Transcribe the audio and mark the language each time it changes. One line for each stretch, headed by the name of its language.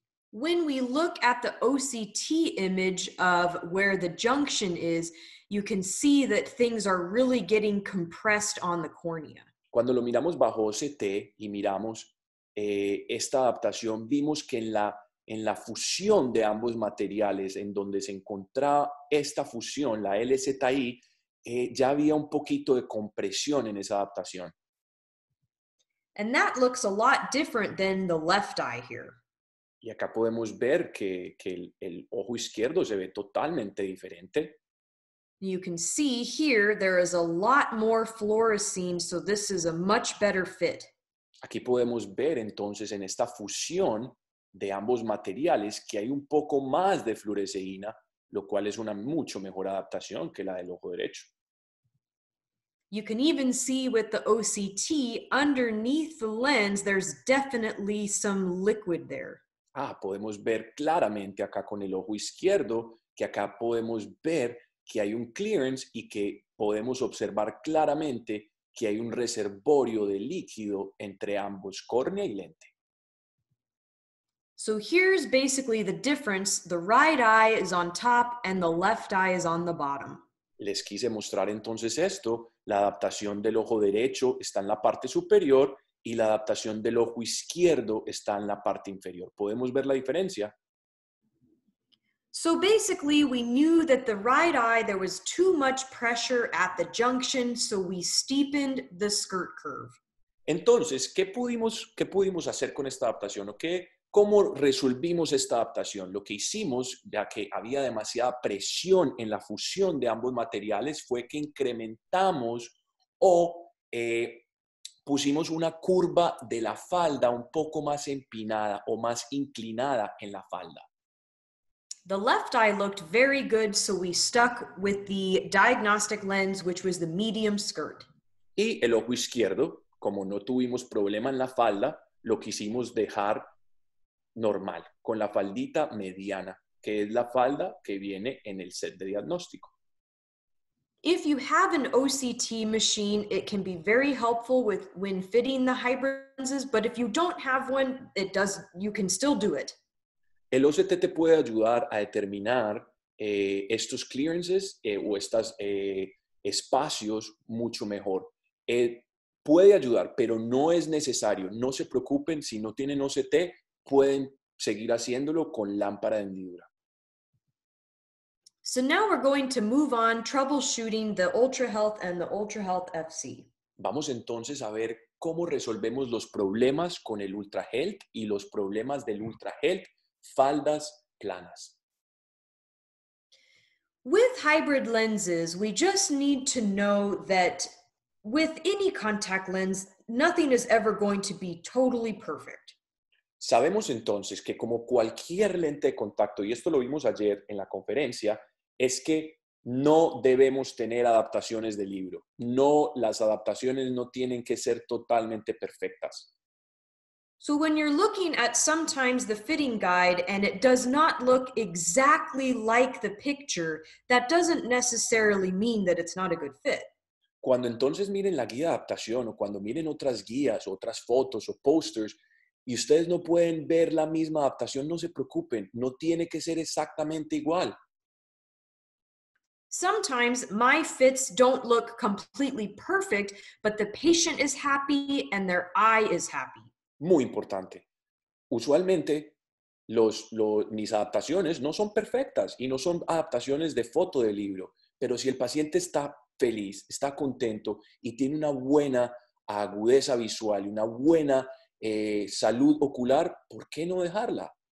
English: When we look at the OCT image of where the junction is, you can see that things are really getting compressed on the cornea.
Spanish: Cuando lo miramos bajo OCT y miramos esta adaptación, vimos que en la fusión de ambos materiales, en donde se encontraba esta fusión, la LZI, ya había un poquito de compresión en esa adaptación.
English: And that looks a lot different than the left eye here.
Spanish: Y acá podemos ver que el ojo izquierdo se ve totalmente diferente.
English: You can see here there is a lot more fluorescein, so this is a much better fit.
Spanish: Aquí podemos ver entonces en esta fusión de ambos materiales que hay un poco más de fluoresceína, lo cual es una mucho mejor adaptación que la del ojo derecho.
English: You can even see with the OCT, underneath the lens, there's definitely some liquid there.
Spanish: Ah, podemos ver claramente acá con el ojo izquierdo que acá podemos ver que hay un clearance y que podemos observar claramente que hay un reservorio de líquido entre ambos, córnea y lente.
English: So here's basically the difference. The right eye is on top and the left eye is on the bottom.
Spanish: Les quise mostrar entonces esto. La adaptación del ojo derecho está en la parte superior y la adaptación del ojo izquierdo está en la parte inferior. ¿Podemos ver la diferencia?
English: So basically, we knew that the right eye, there was too much pressure at the junction, so we steepened the skirt curve.
Spanish: Entonces, ¿qué pudimos hacer con esta adaptación? ¿Okay? ¿Cómo resolvimos esta adaptación? Lo que hicimos, ya que había demasiada presión en la fusión de ambos materiales, fue que incrementamos o pusimos una curva de la falda un poco más empinada o más inclinada en la falda.
English: The left eye looked very good, so we stuck with the diagnostic lens, which was the medium skirt.
Spanish: Y el ojo izquierdo, como no tuvimos problema en la falda, lo quisimos dejar normal, con la faldita mediana, que es la falda que viene en el set de diagnóstico.
English: If you have an OCT machine, it can be very helpful with when fitting the hybrid lenses, but if you don't have one, it does, you can still do it.
Spanish: El OCT te puede ayudar a determinar estos clearances o estos espacios mucho mejor. Puede ayudar, pero no es necesario. No se preocupen, si no tienen OCT, pueden seguir haciéndolo con lámpara de hendidura.
English: So now we're going to move on troubleshooting the UltraHealth and the UltraHealth FC.
Spanish: Vamos entonces a ver cómo resolvemos los problemas con el UltraHealth y los problemas del UltraHealth faldas planas.
English: With hybrid lenses, we just need to know that with any contact lens, nothing is ever going to be totally perfect.
Spanish: Sabemos entonces que como cualquier lente de contacto, y esto lo vimos ayer en la conferencia, es que no debemos tener adaptaciones de libro. No, las adaptaciones no tienen que ser totalmente perfectas.
English: So when you're looking at sometimes the fitting guide and it does not look exactly like the picture, that doesn't necessarily mean that it's not a good fit.
Spanish: Cuando entonces miren la guía de adaptación o cuando miren otras guías, otras fotos o posters, y ustedes no pueden ver la misma adaptación, no se preocupen, no tiene que ser exactamente igual.
English: Sometimes my fits don't look completely perfect, but the patient is happy and their eye is happy.
Spanish: Muy importante. Usualmente, mis adaptaciones no son perfectas y no son adaptaciones de foto de libro, pero si el paciente está feliz, está contento y tiene una buena agudeza visual y una buena salud ocular, ¿por qué no dejarla?